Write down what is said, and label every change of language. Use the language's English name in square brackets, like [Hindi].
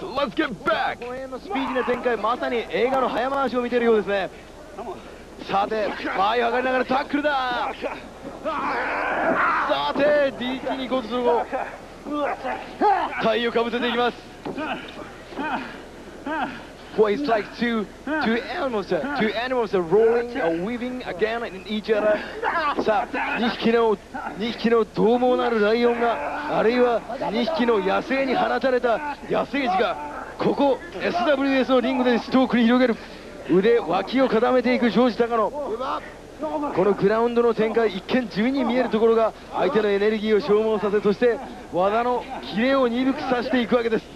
[English] Let's get back。 [Japanese] この辺のスピーディーな展開、まさに映画の早回しを見ているようですね。さて、前を上がりながらタックルだ。さて、 DT に行こうとする後、体をかぶせていきます。 [English] Well, it's like two animals, two animals are rolling, are weaving again in each other. [Japanese] さあ、2匹の獰猛なるライオンが、あるいは2匹の野生に放たれた野生児が、ここ SWS のリングで死闘を繰り広げる。腕、脇を固めていくジョージ高野。このグラウンドの展開、一見地味に見えるところが、相手のエネルギーを消耗させ、そして技のキレを鈍くさせていくわけです。